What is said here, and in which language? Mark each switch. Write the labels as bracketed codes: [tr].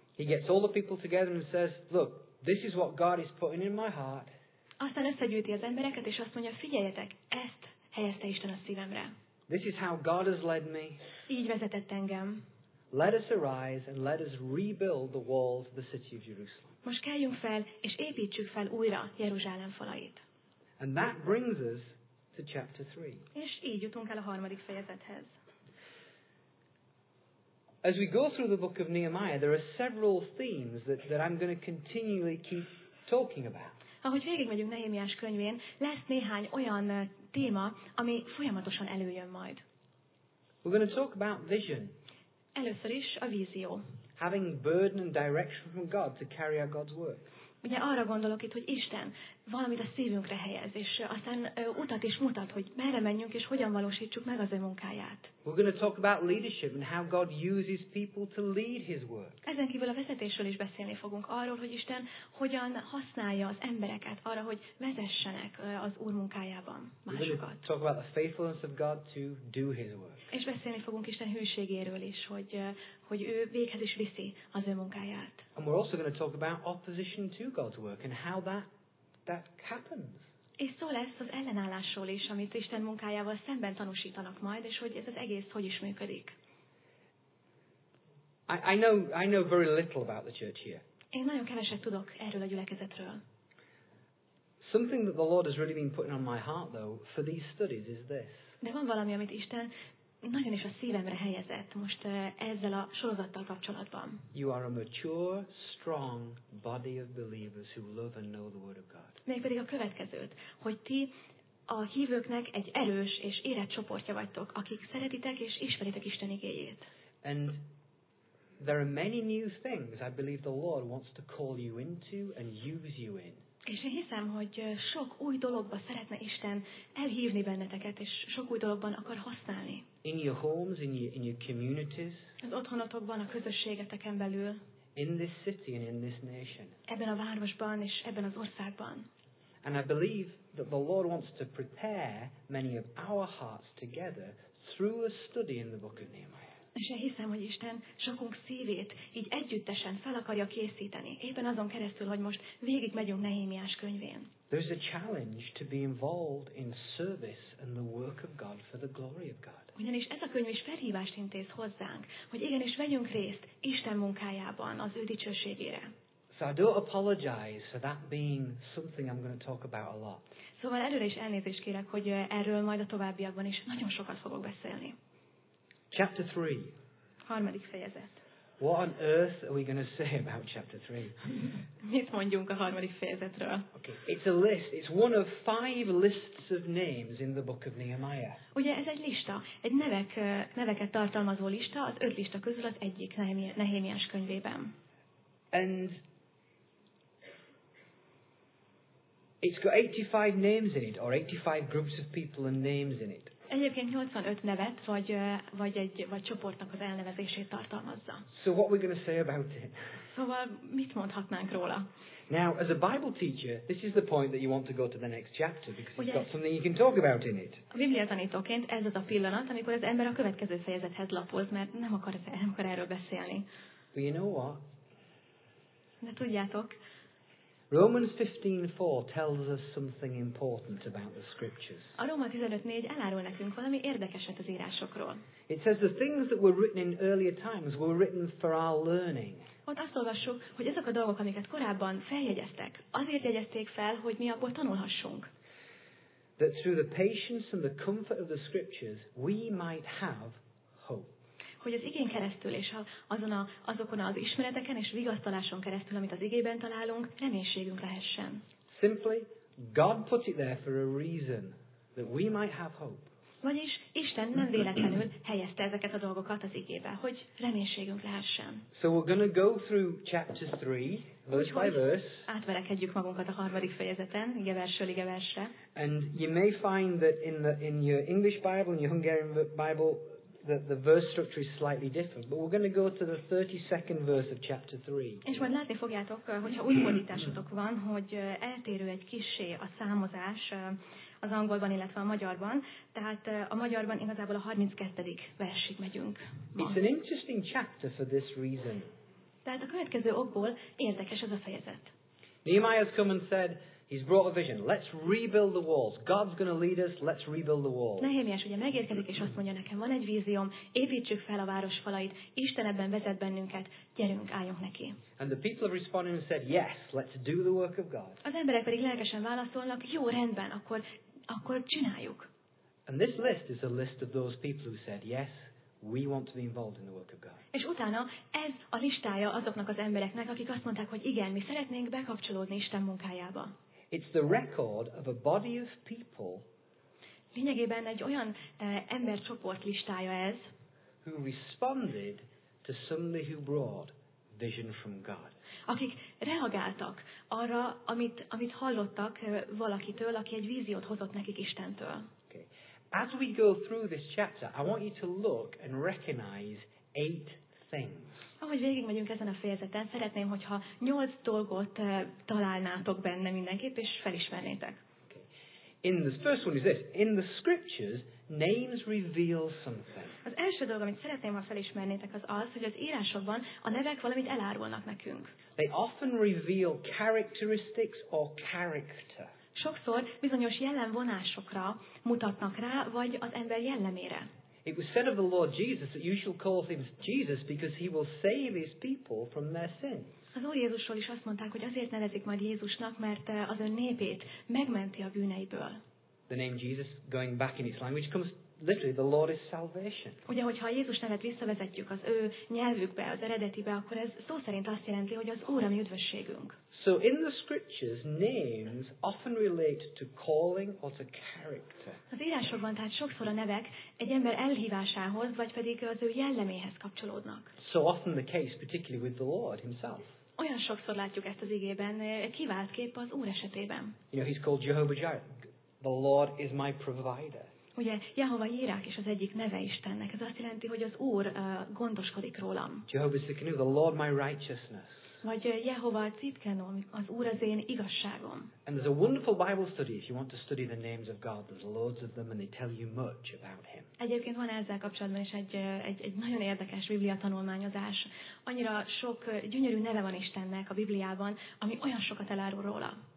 [en] He gets all the people together and says, look, this is what God is putting in my heart. [hu] Aztán összegyűjti az embereket, és azt mondja, figyeljetek, ezt helyezte Isten a szívemre. [en] This is how God has led me. [hu] Így vezetett engem. [en] Let us arise and let us rebuild the walls of the city of Jerusalem. [hu] Most keljünk fel, és építsük fel újra Jeruzsálem falait. [en] And that brings us to chapter 3. [hu] És így jutunk el a harmadik fejezethez. [en] As we go through the book of Nehemiah, there are several themes that I'm going to continually keep talking about. [hu] Ahogy végigmegyünk Nehémiás könyvén, lesz néhány olyan téma, ami folyamatosan előjön majd. [en] We're going to talk about vision. [hu] Először is a vízió. [en] Having burden and direction from God to carry out God's work. [hu] Ugye arra gondolok itt, hogy Isten valamit a szívünkre helyez, és aztán utat is mutat, hogy merre menjünk, és hogyan valósítsuk meg az ő munkáját. [en] We're going to talk about leadership and how God uses people to lead his work. [hu] Ezen kívül a vezetésről is beszélni fogunk, arról, hogy Isten hogyan használja az embereket arra, hogy vezessenek az Úr munkájában másokat. [en] We're going to talk about the faithfulness of God to do his work. [hu] És beszélni fogunk Isten hűségéről is, hogy ő véghez is viszi az ő munkáját. [en] And we're also going to talk about opposition to God's work and how that happens. [hu] És szó lesz az ellenállásról is, amit Isten munkájával szemben tanúsítanak majd, és hogy ez az egész hogy is működik. [en] I know very little about the church here. [hu] Én nagyon keveset tudok erről a gyülekezetről. [en] Something that the Lord has really been putting on my heart though for these studies is this. [hu] De van valami, amit Isten nagyon is a szívemre helyezett most ezzel a sorozattal kapcsolatban. [en] You are a mature, strong body of believers who love and know the word of God. [hu] Mégpedig a következőt, hogy ti a hívőknek egy erős és érett csoportja vagytok, akik szeretitek és ismeritek Isten igéjét. [en] And there are many new things I believe the Lord wants to call you into and use you in. [hu] És én hiszem, hogy sok új dologba szeretne Isten elhívni benneteket, és sok új dologban akar használni. [en] In your homes, in your communities. [hu] Az otthonotokban, a közösségeteken belül. [en] In this city and in this nation. [hu] Ebben a városban és ebben az országban. [en] And I believe that the Lord wants to prepare many of our hearts together through a study in the book of Nehemiah. [hu] És én hiszem, hogy Isten sokunk szívét így együttesen fel akarja készíteni, éppen azon keresztül, hogy most végig megyünk Nehémiás könyvén. [en] There's a challenge to be involved in service and the work of God for the glory of God. [hu] Ugyanis ez a könyv is felhívást intéz hozzánk, hogy igenis vegyünk részt Isten munkájában, az ő dicsőségére. [en] So I don't apologize for that being something I'm going to talk about a lot. [hu] Szóval előre is elnézést kérek, hogy erről majd a továbbiakban is nagyon sokat fogok beszélni. [en] Chapter 3. [hu] Harmadik fejezet. [en] What on earth are we going to say about chapter 3? [hu] Mit mondjunk a harmadik fejezetről? [en] Okay. It's a list. It's one of five lists of names in the book of Nehemiah. [hu] Ugye ez egy lista, egy neveket tartalmazó lista, az öt lista közül az egyik Nehémiás könyvében. [en] And it's got 85 names in it, or 85 groups of people and names in it. [hu] Egyébként 85 nevet vagy csoportnak az elnevezését tartalmazza. [en] So what we're going to say about it? [hu] Szóval mit mondhatnánk róla? [en] Now, as a Bible teacher, this is the point that you want to go to the next chapter because you've got something you can talk about in it. [hu] A Biblia tanítóként ez az a pillanat, amikor az ember a következő fejezethez lapoz, mert nem akar erről beszélni. [en] But you know what? [hu] De tudjátok. [en] Romans 15:4 tells us something important about the scriptures. [hu] A Róma 15:4 elárul nekünk valami érdekeset az írásokról. [en] It says the things that were written in earlier times were written for our learning. [hu] Ott azt olvassuk, hogy ezek a dolgok, amiket korábban feljegyeztek, azért jegyezték fel, hogy mi abból tanulhassunk. [en] That through the patience and the comfort of the scriptures we might have hope. [hu] Hogy az igén keresztül és azokon az ismereteken és vigasztaláson keresztül, amit az igében találunk, reménységünk lehessen. [en] Simply, God put it there for a reason, that we might have hope. [hu] Vagyis Isten nem véletlenül helyezte ezeket a dolgokat az igébe, hogy reménységünk lehessen. [en] So we're going to go through chapter 3, verse by verse. [hu] Átverekedjük magunkat a harmadik fejezeten, ige versről ige versre. [en] And you may find that in your English Bible, in your Hungarian Bible, that the verse structure is slightly different, but we're going to go to the 32nd verse of chapter 3. [hu] És majd látni fogjátok, hogyha új fordításotok van, hogy eltérő egy kissé a számozás az angolban, illetve a magyarban, tehát a magyarban igazából a 32. versig megyünk. [en] It's an interesting chapter for this reason. [hu] Tehát a következő okból érdekes ez a fejezet. [en] Nehemiah has come and said, he's brought a vision. Let's rebuild the walls. God's going to lead us. Let's rebuild the walls. [hu] Nehémiás ugye megérkezik és azt mondja nekem, van egy vízióm, építsük fel a város falait. Isten ebben vezet bennünket. Gyerünk, álljunk neki. [en] And the people have responded and said, yes, let's do the work of God. [hu] Az emberek pedig lelkesen válaszolnak, jó, rendben, akkor csináljuk. [en] And this list is a list of those people who said yes. We want to be involved in the work of God. [hu] És utána ez a listája azoknak az embereknek, akik azt mondták, hogy igen, mi szeretnénk bekapcsolódni Isten munkájába. [en] It's the record of a body of people. [hu] Lényegében egy olyan embercsoport listája ez. [en] Who responded to somebody who brought vision from God. [hu] Akik reagáltak arra, amit hallottak valakitől, aki egy víziót hozott nekik Istentől. [en] Okay. As we go through this chapter, I want you to look and recognize 8 things. [hu] Ahogy végigmegyünk ezen a fejezeten, szeretném, hogyha 8 dolgot találnátok benne mindenképp, és felismernétek. [en] Okay. In the first one is this. In the scriptures, names reveal something. [hu] Az első dolog, amit szeretném, ha felismernétek, az, hogy az írásokban a nevek valamit elárulnak nekünk. [en] They often reveal characteristics or character. [hu] Sokszor bizonyos jellemvonásokra mutatnak rá, vagy az ember jellemére. [en] It was said of the Lord Jesus that you shall call him Jesus because he will save his people from their sins. [hu] Az Úr Jézusról is azt mondták, hogy azért nevezik majd Jézusnak, mert az ön népét megmenti a bűneiből. [en] The name Jesus, going back in its language, comes literally, the Lord is salvation. [hu] Ugye, hogyha a Jézus nevet visszavezetjük az ő nyelvükbe, az eredetibe, akkor ez szó szerint azt jelenti, hogy az Úr a mi üdvösségünk. [en] So in the scriptures, names often relate to calling or to character. [hu] Az írásokban tehát sokszor a nevek egy ember elhívásához, vagy pedig az ő jelleméhez kapcsolódnak. [en] So often the case, particularly with the Lord himself. [hu] Olyan sokszor látjuk ezt az igében, kiváltképp az Úr esetében. [en] You know, he's called Jehovah Jireh. The Lord is my provider. [hu] Ugye, Jehova Jireh is az egyik neve Istennek. Ez azt jelenti, hogy az Úr gondoskodik rólam. [en] Jehovah Tsidkenu, the Lord my righteousness. [hu] Vagy Jehova Tsidkenu, az Úr az én igazságom. [en] And there's a wonderful Bible study if you want to study the names of God. There's loads of them and they tell you much about him. [hu] Egyébként van ezzel kapcsolatban is egy nagyon érdekes Biblia tanulmányozás. Annyira sok gyönyörű neve van Istennek a Bibliában, ami olyan sokat elárul róla.